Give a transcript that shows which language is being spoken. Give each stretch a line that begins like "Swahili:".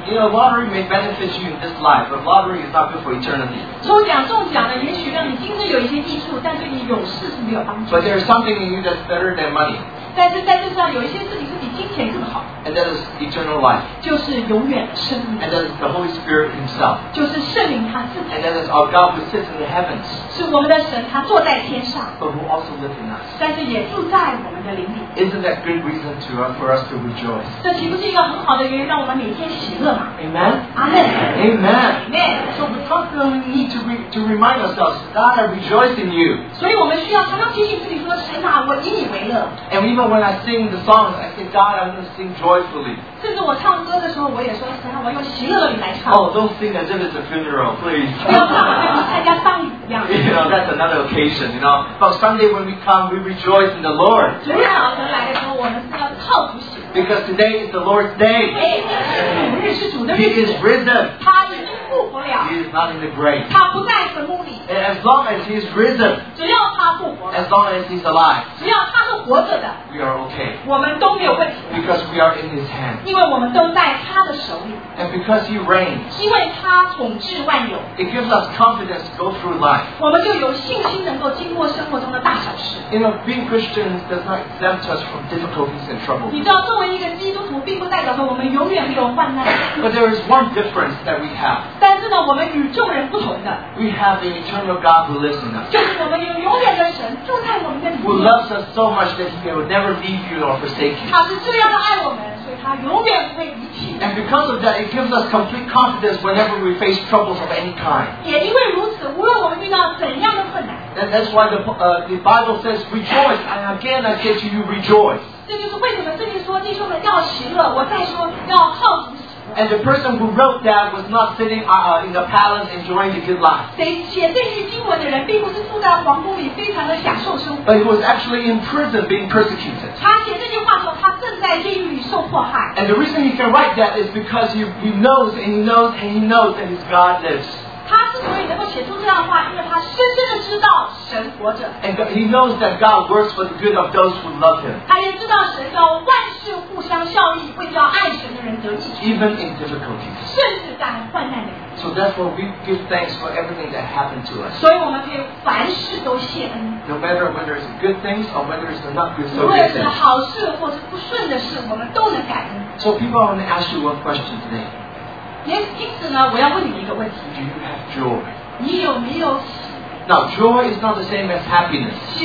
English: You know, lottery may benefit you in this life, but lottery is not good for eternity.
Chinese: 抽奖中奖的也许让你今生有一些益处，但对你永世是没有帮助。
English: But there is something in you that's better than money.
Chinese: 但是在这世上有一些事情是比金钱更好。
English: And that is eternal life.
Chinese: 就是永远的生命。
English: And that is the Holy Spirit Himself.
Chinese: 就是圣灵他自己。
English: And that is our God who sits in the heavens.
Chinese: 是我们的神，他坐在天上。
English: But who also lives in us.
Chinese: 但是也住在我们的灵里。
English: Isn't that good reason to, for us to rejoice?
Chinese: 这岂不是一个很好的原因，让我们每天喜乐吗？
English: Amen. Amen. Amen. So we constantly need to remind ourselves, God, I rejoice in you.
Chinese: 所以我们需要常常提醒自己说，神啊，我以你为乐。
English: And even when I sing the songs, I say, God, I'm going to sing joyfully.
Chinese: 甚至我唱歌的时候，我也说，神啊，我用喜乐的来唱。
English: Oh, don't sing that. This is a funeral, please.
Chinese: 不要唱，参加丧礼。
English: You know, that's another occasion. You know, but Sunday when we come, we rejoice in the Lord.
Chinese: 昨天早晨来的时候，我们是要靠主喜乐。
English: Because today is the Lord's day.
Chinese: 主日是主的日子。
English: He is risen.
Chinese: 他已经复活了。
English: He is not in the grave.
Chinese: 他不在坟墓里。
English: As long as he is risen.
Chinese: 只要他复活。
English: As long as he's alive.
Chinese: 只要他是活着的。
English: We are okay.
Chinese: 我们都没有问题。
English: Because we are in his hand.
Chinese: 因为我们都在他的手里。
English: And because he reigns.
Chinese: 因为他统治万有。
English: It gives us confidence to go through life.
Chinese: 我们就有信心能够经过生活中的大小事。
English: You know, being Christians does not exempt us from difficulties and troubles.
Chinese: 你知道，作为一个基督徒，并不代表着我们永远没有患难。
English: But there is one difference that we have.
Chinese: 但是呢，我们与众人不同的。
English: We have an eternal God who lives in us.
Chinese: 就是我们有永远的神住在我们的里面。
English: Who loves us so much that he will never leave you or forsake you.
Chinese: 他是这样的爱我们。
English: And because of that, it gives us complete confidence whenever we face troubles of any kind.
Chinese: 也因为如此，无论我们遇到怎样的困难。
English: And that's why the Bible says, "Rejoice!" And again, I say to you, rejoice.
Chinese: 这就是为什么圣经说弟兄们要喜乐。我再说要靠主喜乐。
English: And the person who wrote that was not sitting in the palace enjoying the good life.
Chinese: 写这句经文的人并不是住在皇宫里，非常的享受生活。
English: But he was actually in prison, being persecuted.
Chinese: 他写这句话说，他正在监狱里受迫害。
English: And the reason he can write that is because he knows that his God lives.
Chinese: 他之所以能够写出这样的话，因为他深深的知道神活着。
English: And he knows that God works for the good of those who love him.
Chinese: 他也知道神要万事互相效力，为叫爱神的人得益处。
English: Even in difficulties.
Chinese: 甚至在患难里。
English: So therefore, we give thanks for everything that happened to us.
Chinese: 所以我们可以凡事都谢恩。
English: No matter whether it's good things or whether it's not good things.
Chinese: 无论是好事或是不顺的事，我们都能感恩。
English: So people, I want to ask you one question today.
Chinese: 因此呢，我要问你一个问题。
English: Do you have joy?
Chinese: 你有没有喜悦？
English: Now, joy is not the same as happiness.